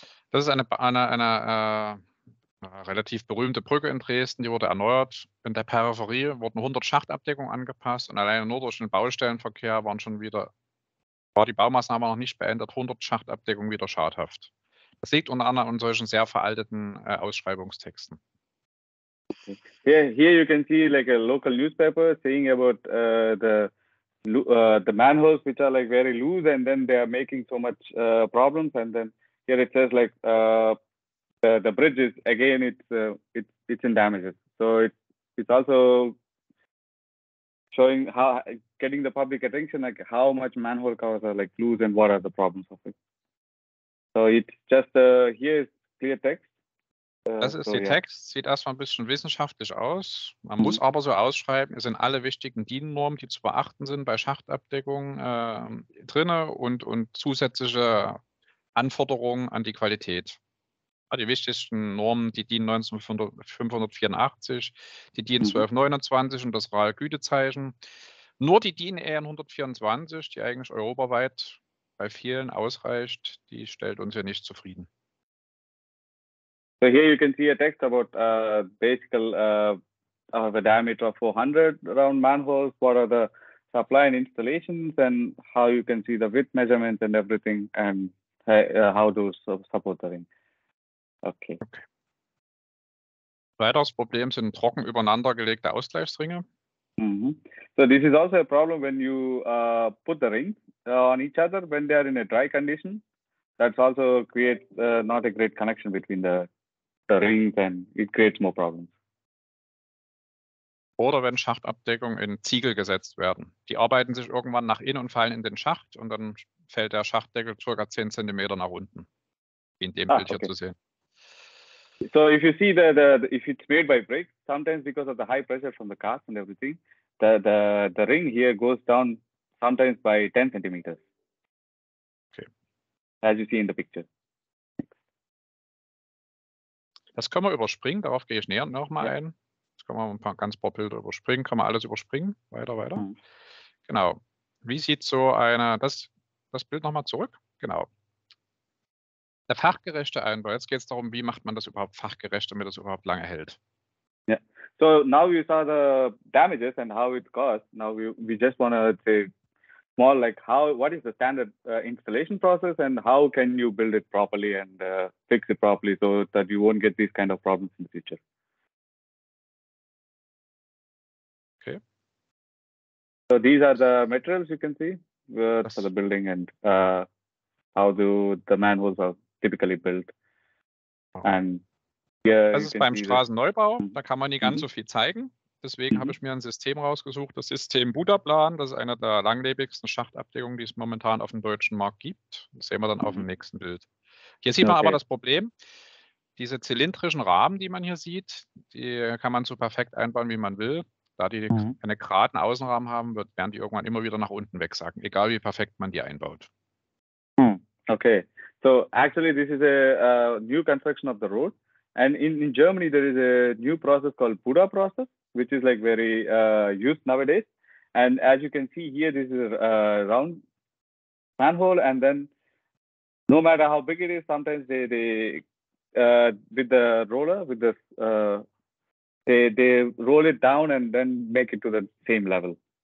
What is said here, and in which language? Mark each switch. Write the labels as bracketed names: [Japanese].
[German] Das ist eine relativ berühmte Brücke in Dresden, die wurde erneuert. In der Peripherie wurden 100 Schachtabdeckungen angepasst und alleine nur durch den Baustellenverkehr war die Baumaßnahme noch nicht beendet, 100 Schachtabdeckungen wieder schadhaft. Das liegt unter anderem an solchen sehr veralteten Ausschreibungstexten. [English] Here you can see like a local newspaper saying about the manholes, which are like very loose, and then they are making so much problems. And then here it says like the bridges again. It's in damages. So it's also showing how getting the public attention, like how much manhole covers are like loose and what are the problems of it. So it's just here is clear text. [German] Das ist so, der Text, ja. Sieht erstmal ein bisschen wissenschaftlich aus. Man muss aber so ausschreiben, es sind alle wichtigen DIN-Normen, die zu beachten sind bei Schachtabdeckung drin und zusätzliche Anforderungen an die Qualität. Die wichtigsten Normen, die DIN 1584, die DIN 1229 und das RAL-Gütezeichen. Nur die DIN EN124, die eigentlich europaweit bei vielen ausreicht, die stellt uns ja nicht zufrieden. [English] So here you can see a text about the diameter of 400 round manholes, what are the supply and installations, and how you can see the width measurements and everything, and how those support the ring. Okay. [German] Weiteres Problem sind trocken übereinandergelegte Ausgleichsringe. [English] So this is also a problem when you put the rings on each other when they are in a dry condition. That's also creates not a great connection between the rings, and it creates more problems. [German] Oder wenn Schachtabdeckungen in Ziegel gesetzt werden. Die arbeiten sich irgendwann nach innen und fallen in den Schacht und dann fällt der Schachtdeckel ca. 10 cm nach unten. In dem Bild hier zu sehen. [English] So if you see the if it's made by bricks, sometimes because of the high pressure from the cast and everything, the ring here goes down sometimes by 10 cm. Okay. As you see in the picture. [German] Das können wir überspringen, darauf gehe ich näher nochmal ein. Jetzt können wir ein paar Bilder überspringen, können wir alles überspringen, weiter. Genau, wie sieht so eine, das Bild nochmal zurück, genau. Der fachgerechte Einbau, jetzt geht es darum, wie macht man das überhaupt fachgerecht, damit das überhaupt lange hält. Ja, [English] So now you saw the damages and how it costs. Now we just want to say more like how, what is the standard installation process and how can you build it properly and fix it properly so that you won't get these kind of problems in the future. Okay. So these are the materials you can see for the building and how do the manholes are typically built. And yeah, [German] das ist beim Straßenneubau, da kann man nicht ganz so viel zeigen. Deswegen habe ich mir ein System rausgesucht, das System Budaplan. Das ist eine der langlebigsten Schachtabdeckungen, die es momentan auf dem deutschen Markt gibt. Das sehen wir dann auf dem nächsten Bild. Hier sieht man aber das Problem, diese zylindrischen Rahmen, die man hier sieht, die kann man so perfekt einbauen, wie man will. Da die keine geraden Außenrahmen haben, werden die irgendwann immer wieder nach unten wegsacken, egal wie perfekt man die einbaut. [English] Okay, so actually this is a new construction of the road. And in Germany, there is a new process called Buda process, which is like very used nowadays. And as you can see here, this is a round manhole. And then no matter how big it is, sometimes they roll it down and then make it to the same level.